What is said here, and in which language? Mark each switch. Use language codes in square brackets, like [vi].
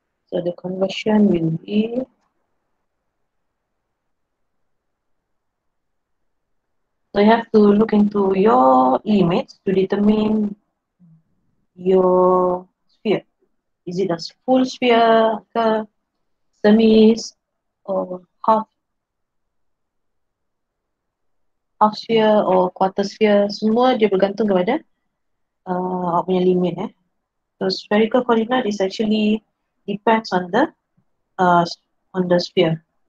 [en] So the conversion will be so you have to look into your image to determine your sphere. Is it a full sphere, semi, or half sphere or quarter sphere? [ms] Semua dia bergantung kepada awak punya limit. Eh. [en] So spherical coordinate is actually depends on the sphere.